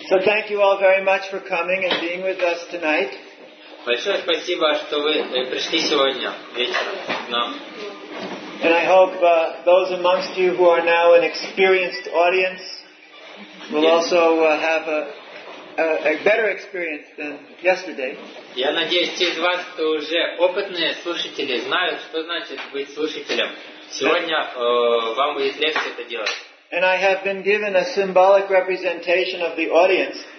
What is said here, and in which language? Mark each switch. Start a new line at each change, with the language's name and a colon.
English: So thank you all very much for coming and being with us tonight.
Russian: Большое спасибо, что вы пришли сегодня вечером к нам.
English: And I hope those amongst you who are now an experienced audience will also have a better experience than yesterday.
Russian: Я надеюсь, те из вас, кто уже опытные слушатели, знают, что значит быть слушателем. Сегодня вам будет легче это делать.
English: And I have been given a symbolic representation of the audience.